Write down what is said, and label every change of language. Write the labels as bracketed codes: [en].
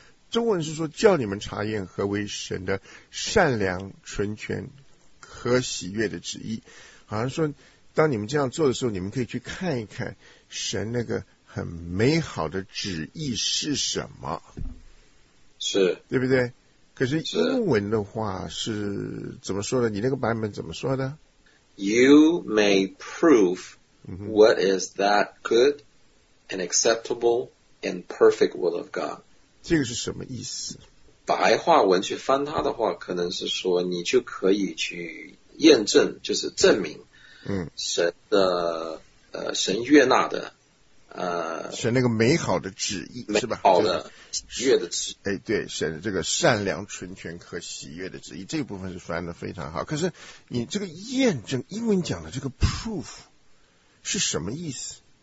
[zh] 中文是说叫你们查验何为神的善良、纯全、可喜悦的旨意，好像说当你们这样做的时候，你们可以去看一看神那个很美好的旨意是什么。是，对不对？可是英文的话是怎么说的？你那个版本怎么说的？ [en] You may prove what is that good and acceptable and perfect will of God。 [zh] 这个是什么意思？白话文去翻它的话，可能是说你就可以去验证，就是证明神的神悦纳的选那个美好的旨意，是吧？好的喜悦的旨意。哎，对，选这个善良、纯全和喜悦的旨意，这部分是翻得非常好。可是你这个验证，英文讲的这个 proof 是什么意思？